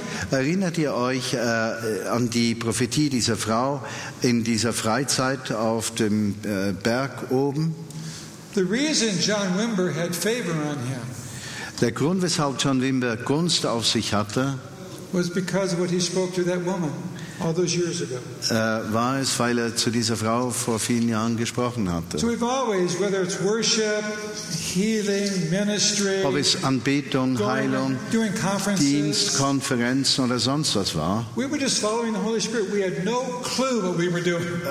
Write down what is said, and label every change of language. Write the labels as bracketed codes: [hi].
[de] Erinnert ihr euch an die Prophetie dieser Frau in dieser Freizeit auf dem Berg oben? [en] The reason John Wimber had favor on him. [de] Der Grund, weshalb John Wimber Gunst auf sich hatte, [en] was because of what he spoke to that woman all those years ago. [de] War es, weil er zu dieser Frau vor vielen Jahren gesprochen hatte. [en] So we've always, whether it's worship, healing, ministry, [de] ob es Anbetung, Heilung, [en] doing conferences, [de] Dienst, Konferenzen oder sonst was war, [en] we were just following the Holy Spirit. We had no clue what we were doing.